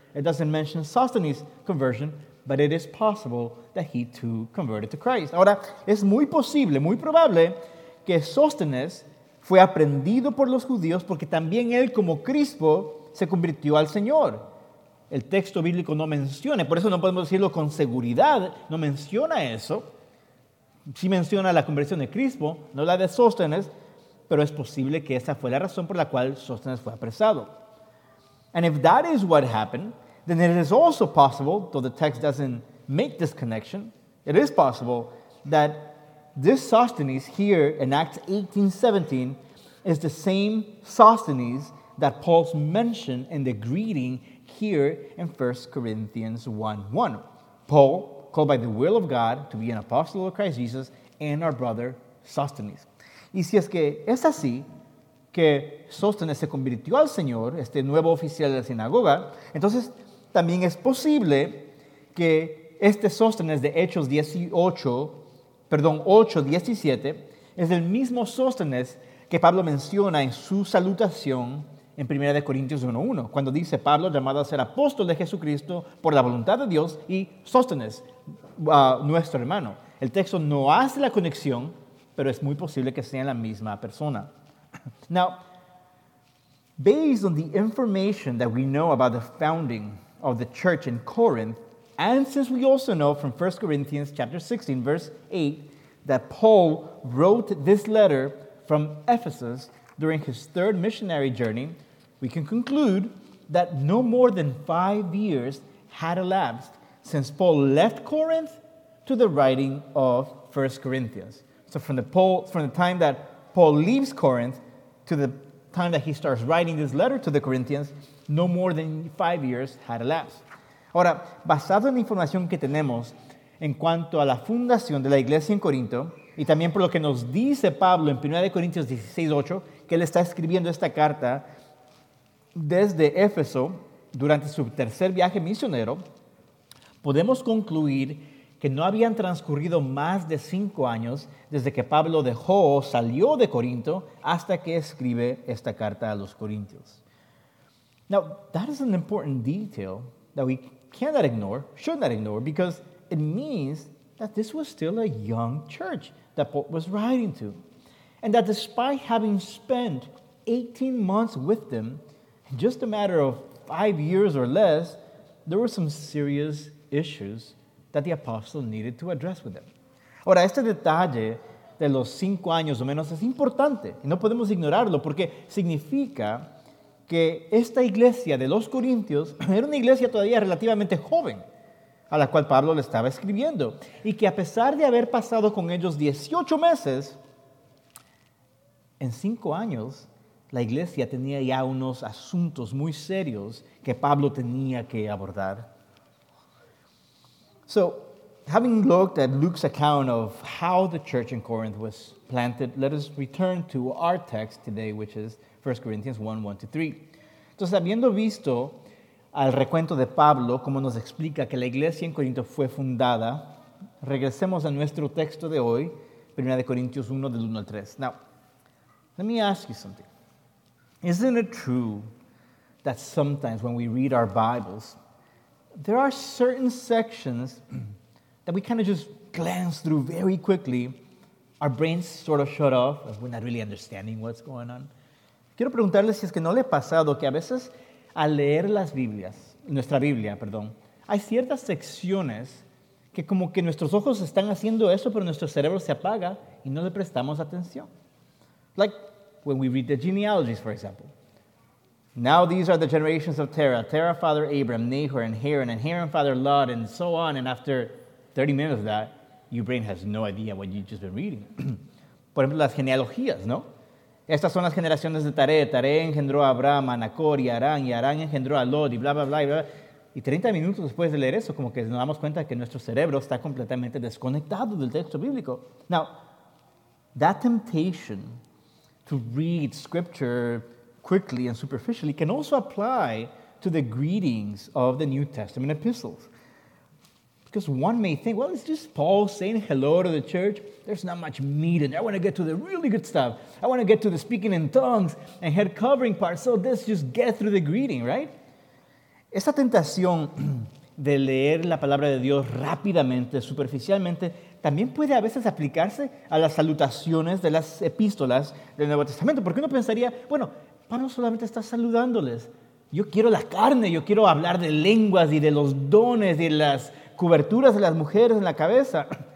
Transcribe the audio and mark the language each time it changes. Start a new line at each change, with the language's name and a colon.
English: It doesn't mention Sosthenes' conversion, but it is possible that he too converted to Christ.
Spanish: Ahora, es muy posible, muy probable, que Sosthenes fue aprehendido por los judíos porque también él, como Crispo, se convirtió al Señor. El texto bíblico no menciona, por eso no podemos decirlo con seguridad, no menciona eso. Sí menciona la conversión de Crispo, no la de Sóstenes, pero es posible que esa fue la razón por la cual Sóstenes fue apresado.
English: And if that is what happened, then it is also possible, though the text doesn't make this connection, it is possible that this Sosthenes here in Acts 18:17 is the same Sosthenes that Paul's mentioned in the greeting here in 1 Corinthians 1:1. Paul, called by the will of God to be an apostle of Christ Jesus, and our brother Sosthenes.
Spanish: Y si es que es así, que Sosthenes se convirtió al Señor, este nuevo oficial de la sinagoga, entonces también es posible que este Sosthenes de Hechos 8:17, es el mismo Sosthenes que Pablo menciona en su salutación en 1 Corintios 1:1, cuando dice Pablo, llamado a ser apóstol de Jesucristo por la voluntad de Dios, y Sóstenes, nuestro hermano. El texto no hace la conexión, pero es muy posible que sea la misma persona.
English: Now, based on the information that we know about the founding of the church in Corinth, and since we also know from 1 Corinthians chapter 16, verse 8, that Paul wrote this letter from Ephesus during his third missionary journey, we can conclude that no more than 5 years had elapsed since Paul left Corinth to the writing of 1 Corinthians. So from the time that Paul leaves Corinth to the time that he starts writing this letter to the Corinthians, no more than 5 years had elapsed.
Spanish: Ahora, basado en la información que tenemos en cuanto a la fundación de la iglesia en Corinto, y también por lo que nos dice Pablo en 1 Corintios 16:8, que él está escribiendo esta carta desde Éfeso durante su tercer viaje misionero, podemos concluir que no habían transcurrido más de 5 años desde que Pablo dejó o salió de Corinto hasta que escribe esta carta a los corintios.
English: Now, that is an important detail that we cannot ignore, should not ignore, because it means that this was still a young church that Paul was writing to, and that despite having spent 18 months with them, in just a matter of 5 years or less, there were some serious issues that the apostle needed to address with them.
Spanish: Ahora, este detalle de los 5 años o menos es importante, y no podemos ignorarlo, porque significa que esta iglesia de los corintios era una iglesia todavía relativamente joven, a la cual Pablo le estaba escribiendo, y que a pesar de haber pasado con ellos 18 meses, en 5 años la iglesia tenía ya unos asuntos muy serios que Pablo tenía que abordar.
English: So, having looked at Luke's account of how the church in Corinth was planted, let us return to our text today, which is 1 Corinthians 1, 1 to 3.
Spanish: Entonces, habiendo visto al recuento de Pablo, cómo nos explica que la iglesia en Corinto fue fundada, regresemos a nuestro texto de hoy, 1 Corintios 1, del 1 al 3.
English: Now, let me ask you something. Isn't it true that sometimes when we read our Bibles, there are certain sections that we kind of just glance through very quickly, our brains sort of shut off, we're not really understanding what's going on?
Spanish: Quiero preguntarle si es que no le ha pasado que a veces al leer las Biblias, nuestra Biblia, perdón, hay ciertas secciones que como que nuestros ojos están haciendo eso, pero nuestro cerebro se apaga y no le prestamos atención.
English: Like when we read the genealogies, for example. Now these are the generations of Terah. Terah, father Abram, Nahor, and Haran, father Lot, and so on. And after 30 minutes of that, your brain has no idea what you've just been reading.
Spanish: Por ejemplo, las genealogías, ¿no? Estas son las generaciones de Taré. Taré engendró a Abraham, a Nacor y Arán engendró a Lot y bla, bla, bla, bla. Y 30 minutos después de leer eso, como que nos damos cuenta que nuestro cerebro está completamente desconectado del texto bíblico.
English: Now, that temptation to read scripture quickly and superficially can also apply to the greetings of the New Testament epistles. Because one may think, well, it's just Paul saying hello to the church. There's not much meat in there. I want to get to the really good stuff. I want to get to the speaking in tongues and head covering part. So let's just get through the greeting, right?
Spanish: Esa tentación de leer la palabra de Dios rápidamente, superficialmente, también puede a veces aplicarse a las salutaciones de las epístolas del Nuevo Testamento. Porque uno pensaría, bueno, Pablo solamente está saludándoles. Yo quiero la carne, yo quiero hablar de lenguas y de los dones y de las coberturas de las mujeres en la cabeza.